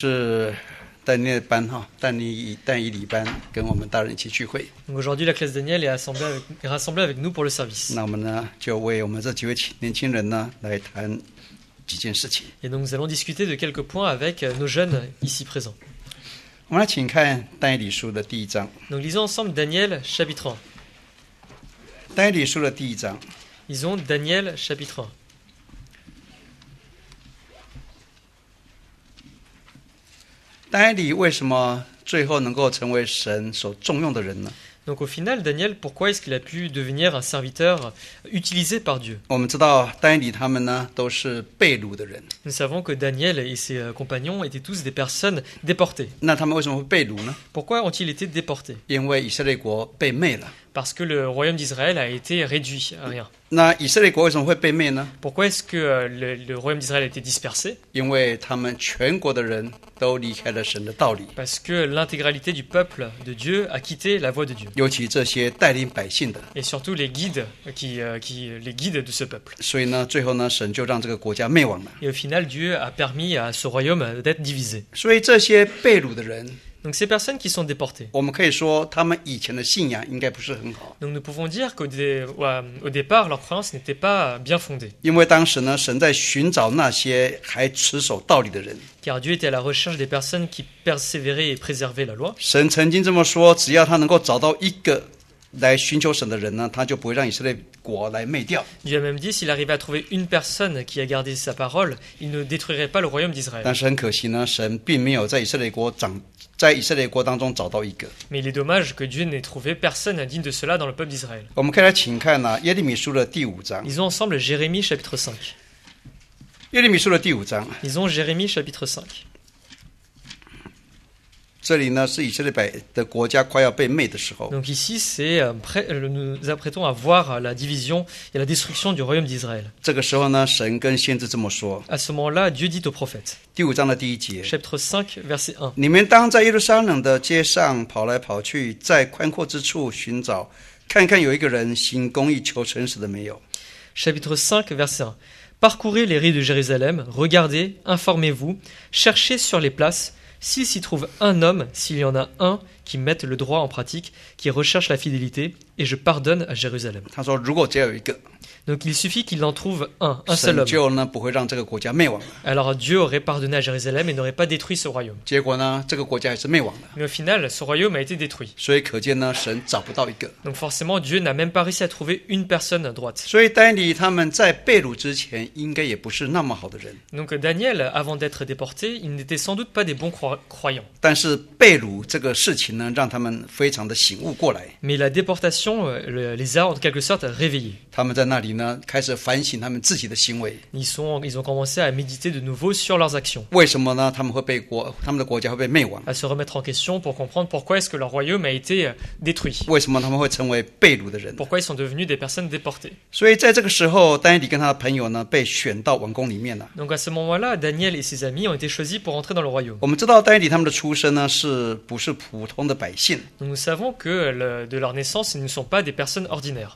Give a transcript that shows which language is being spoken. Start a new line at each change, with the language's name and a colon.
Chinese: 是带你的班哈，带一礼班跟我们大人一起聚会。
French: Donc aujourd'hui, la classe Daniel est rassemblée avec nous pour le
Chinese: 那我
French: service.
Chinese: 们呢，就为我们这几位年轻人呢，来谈几件事情。
French: Et donc nous allons discuter de quelques points avec nos jeunes ici présents.
Chinese: 我们来请看但以理书的第一章。
French: Donc lisons ensemble Daniel chapitre 1.
Chinese: 但以理书的第一章。
French: Lisons Daniel chapitre 1.
Chinese: 但以理为什么最后能够成为神所重用的人呢？
French: Donc au final, Daniel, pourquoi est-ce qu'il a pu devenir un serviteur utilisé par Dieu?
Chinese: 我们知道但以理他们呢都是被掳的人。
French: Nous savons que Daniel et ses compagnons étaient tous des personnes déportées.
Chinese: 那他们为什么会被掳呢？
French: Pourquoi ont-ils été déportés?
Chinese: 因为以色列国被灭了。
French: Parce que le royaume d'Israël a été réduit à rien.
Chinese: 那以色列国为什么会被灭呢？
French: Pourquoi est-ce que le royaume d'Israël a été dispersé?
Chinese: 因为他们全国的人都离开了神的道理。
French: Parce que l'intégralité du peuple de Dieu a quitté la voie de Dieu.
Chinese: 尤其这些带领百姓的。
French: Et surtout les guides de ce peuple.
Chinese: 所以呢，最后呢，神就让这个国家灭亡了。
French: Et au final, Dieu a permis à ce royaume d'être divisé.
Chinese: 所以这些被掳的人。
French: Donc ces personnes qui sont déportées.
Chinese: 我们可以说他们以前的信仰应该不是很好。
French: Donc nous pouvons dire qu'au départ, leur croyance n'était pas bien fondée.
Chinese: 因为当时呢，神在寻找那些还持守道理的人。
French: Car Dieu était à la recherche des personnes qui persévéraient et préservaient la loi.
Chinese: 神曾经这么说，只要他能够找到一个来寻求神的人呢，他就不会让以色列国来灭掉。
French: Dieu a même dit s'il arrivait à trouver une personne qui a gardé sa parole, il ne détruirait pas le royaume d'Israël.
Chinese: 但是很可惜呢，神并没有在以色列国掌。在以色列国当中找到一个。
French: Mais il est dommage que Dieu n'ait trouvé personne digne de cela dans le peuple d'Israël.
Chinese: 我们可以来请看呢耶利米书的第五章。
French: Ils ont ensemble Jérémie chapitre 5.
Chinese: 耶利米书的第五章。
French: Ils ont Jérémie chapitre 5.
Chinese: 这里呢是以色列百的国家快要被灭的时候。
French: Donc ici c'est nous apprêtons à voir la division et la destruction du royaume d'Israël.
Chinese: 这个时候呢，神跟先知这么说。
French: À ce moment-là, Dieu dit au prophète.
Chinese: 第五章的第一节。
French: Chapitre 5, verset 1.
Chinese: 你们当在耶路撒冷的街上跑来跑去，在宽阔之处寻找，看看有一个人行公义求诚实的没有。
French: Chapitre 5, verset 1. Parcourez les rues de Jérusalem, regardez, informez-vous, cherchez sur les places. S'il s'y trouve un homme, s'il y en a un qui mette le droit en pratique, qui recherche la fidélité, et je pardonne à Jérusalem.
Chinese: 他说如果只有一个,
French: Donc il suffit qu'il en trouve un seul homme.
Chinese: 神就呢不会让这个国家灭亡。
French: Alors Dieu aurait pardonné à Jérusalem et n'aurait pas détruit ce royaume.
Chinese: 结果呢这个国家还是灭亡了。
French: Mais au final, ce royaume a été détruit.
Chinese: 所以可见呢神找不到一个。
French: Donc forcément, Dieu n'a même pas réussi à trouver une personne droite.
Chinese: 所以丹尼他们在被掳之前应该也不是那么好的人。
French: Donc Daniel, avant d'être déporté, il n'était sans doute pas des bons croyants.
Chinese: 但是被掳这个事情呢让他们非常的醒悟过来。
French: Mais la déportation les a en quelque sorte réveillés.
Chinese: 他们在那里呢开始反省他们自己的行为。
French: Ils ont commencé à méditer de nouveau sur leurs actions.
Chinese: 为什么呢他们会被国他们的国家会被灭亡。
French: À se remettre en question pour comprendre pourquoi est-ce que leur royaume a été détruit.
Chinese: 为什么他们会成为被掳的人。
French: Pourquoi ils sont devenus des personnes déportées.
Chinese: 所以在这个时候丹尼跟他的朋友呢被选到王宫里面了。
French: Donc à ce moment-là, Daniel et ses amis ont été choisis pour entrer dans le royaume.
Chinese: 我们知道丹尼他们的出身呢是不是普通的百姓。
French: Donc nous savons que de leur naissance, ils ne sont pas des personnes ordinaires.